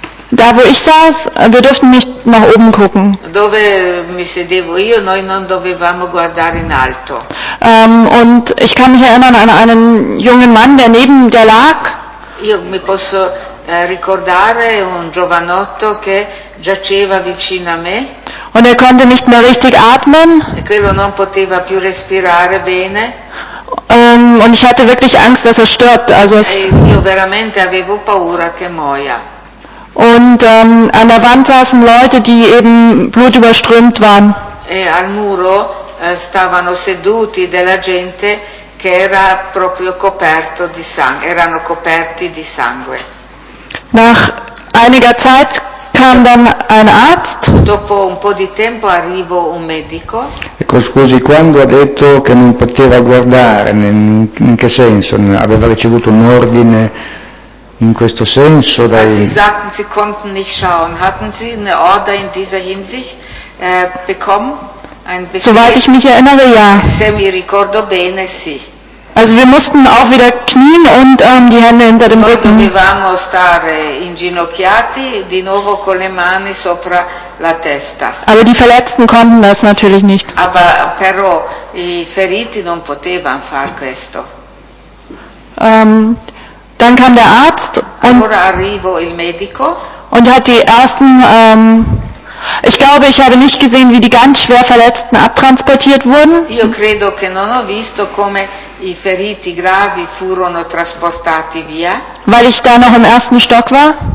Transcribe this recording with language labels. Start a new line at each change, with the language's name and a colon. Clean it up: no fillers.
German: Da wo ich saß, wir durften nicht nach oben gucken.
Italian: Dove mi sedevo io, noi non dovevamo guardare in alto.
German: Und ich kann mich erinnern an einen jungen Mann, der neben der lag.
Italian: Io mi posso ricordare un giovanotto che giaceva vicino a me.
German: Und er konnte nicht mehr richtig atmen.
Italian: E quello non poteva più respirare bene.
German: Und ich hatte wirklich Angst, dass er stirbt. Also
Italian: io veramente avevo paura che muoia.
German: Und an der Wand saßen Leute, die eben blutüberströmt waren.
Italian: E al muro stavano seduti della gente che era proprio coperto di sangue. Erano coperti di sangue.
German: Nach einiger Zeit kam dann ein Arzt.
Italian: Dopo un po' di tempo arrivo un medico. Ecco, scusi, quando ha detto che non poteva guardare, in che senso? Aveva ricevuto un ordine in questo senso? Dai...
German: Sie sagten, Sie konnten nicht schauen. Hatten Sie eine Order in dieser Hinsicht bekommen? Soweit ich mich erinnere, ja.
Italian: Se mi ricordo bene, sì.
German: Also wir mussten auch wieder knien und die Hände hinter dem Rücken.
Italian: Noi dovevamo stare inginocchiati di nuovo con le mani sopra la testa.
German: Aber die Verletzten konnten das natürlich nicht.
Italian: Aber però i feriti non potevano far questo.
German: Dann kam der Arzt.
Italian: Allora arrivo il medico.
German: Und hat die ersten Ich glaube, ich habe nicht gesehen, wie die ganz schwer Verletzten abtransportiert wurden. Io credo che non ho visto come i feriti gravi furono trasportati via. Weil ich da noch im ersten Stock war.